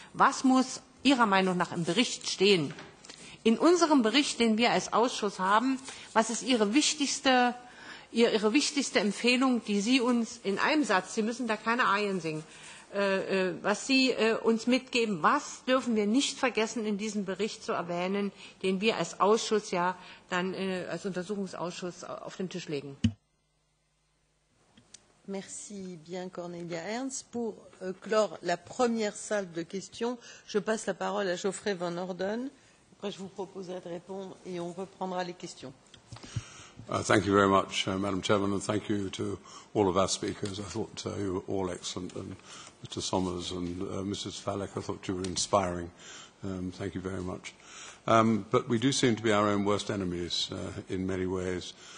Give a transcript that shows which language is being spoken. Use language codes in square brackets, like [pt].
[de] Was muss Ihrer Meinung nach im Bericht stehen? In unserem Bericht, den wir als Ausschuss haben, was ist Ihre wichtigste Empfehlung, die Sie uns in einem Satz, Sie müssen da keine Arien singen, was Sie uns mitgeben, was dürfen wir nicht vergessen, in diesem Bericht zu erwähnen, den wir als Ausschuss ja dann als Untersuchungsausschuss auf den Tisch legen? [fr] Merci bien, Cornelia Ernst. Pour clore la première salle de questions, je passe la parole à Geoffrey Van Orden. Après, je vous proposerai de répondre et on reprendra les questions. [en] Thank you very much, Madam Chairman, and thank you to all of our speakers. I thought you were all excellent, and Mr. Sommers and Mrs. Falek, I thought you were inspiring. Thank you very much. But we do seem to be our own worst enemies in many ways.